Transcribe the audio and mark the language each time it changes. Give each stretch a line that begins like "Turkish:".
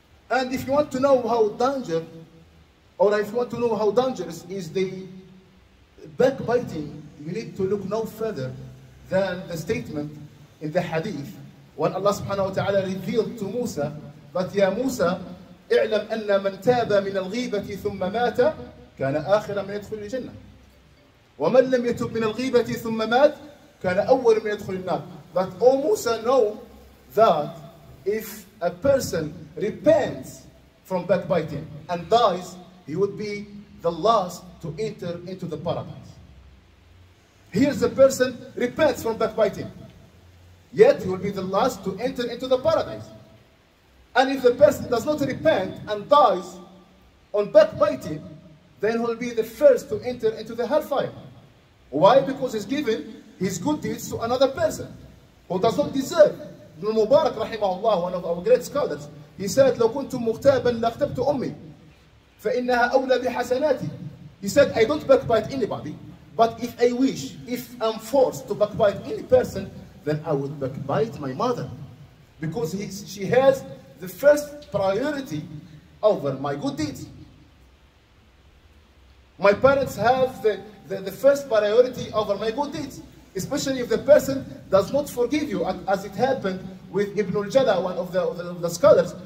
English: And if you want to know how dangerous, or if you want to know how dangerous is the backbiting, you need to look no further than the statement in the hadith when Allah subhanahu wa ta'ala revealed to Musa that, Ya Musa,
Arabic: اعلم أن من تاب من الغيبة ثم مات كان آخر من يدخل الجنة، ومن لم يتب من الغيبة ثم مات كان أول من يدخل النار.
English: But O Musa, know that if a person repents from backbiting and dies, he would be the last to enter into the paradise. Here's a person repents from backbiting, yet he will be the last to enter into the paradise. And if the person does not repent and dies on backbiting, then he will be the first to enter into the hellfire. Why? Because he's given his good deeds to another person who does not deserve. Ibn Mubarak, rahimahullah, one of our great scholars, he said,
Arabic: لو كنت مغتابا لاغتبت أمي فإنها أولى بحسناتي.
English: He said, I don't backbite anybody, but if I wish, if I'm forced to backbite any person, then I would backbite my mother, because she has the first priority over my good deeds. My parents have the first priority over my good deeds, especially if the person does not forgive you, as it happened with Ibn al-Jala, one of the scholars.